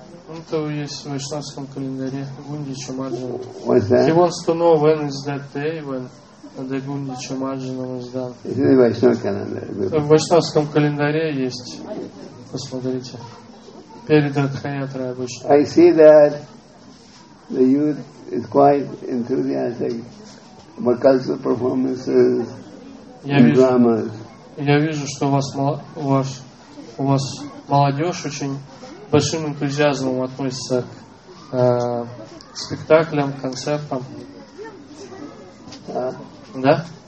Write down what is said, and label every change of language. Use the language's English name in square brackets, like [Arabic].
[Russian] Ну, то есть в вайшнавском календаре Гундича Марджина. [English] He wants to know when is that day, when the Гундича Марджина was done. [Russian] В вайшнавском календаре есть. Посмотрите. Перед Радхаятрой обычно. [English] I see that the youth is quite enthusiastic about cultural performances and dramas. [Russian] Я вижу, что у вас молодежь очень большим энтузиазмом относится к спектаклям, концертам. Да?